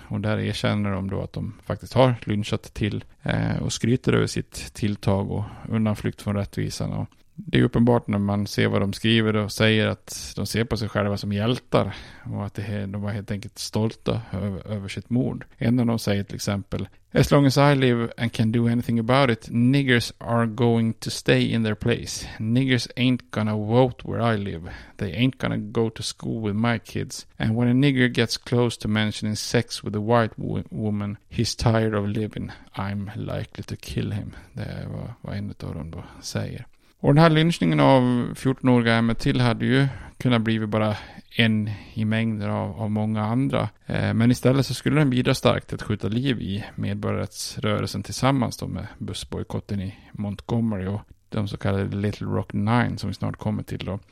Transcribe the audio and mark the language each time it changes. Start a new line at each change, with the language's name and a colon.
Swedish: Och där erkänner de då att de faktiskt har lynchat Till och skryter över sitt tilltag och undanflykt från rättvisan. Och det är uppenbart när man ser vad de skriver och säger att de ser på sig själva som hjältar och att de var helt enkelt stolta över sitt mord. En av dem säger till exempel:
English: As long as I live and can do anything about it, niggers are going to stay in their place. Niggers ain't gonna vote where I live. They ain't gonna go to school with my kids. And when a nigger gets close to mentioning sex with a white woman, he's tired of living. I'm likely to kill him.
Swedish: Det är vad en av dem då säger. Och den här lynchningen av 14-åriga Emmett Till hade ju kunnat bli bara en i mängder av många andra. Men istället så skulle den bidra starkt att skjuta liv i medborgarrättsrörelsen tillsammans då med bussboykotten i Montgomery och de så kallade Little Rock Nine som vi snart kommer till då.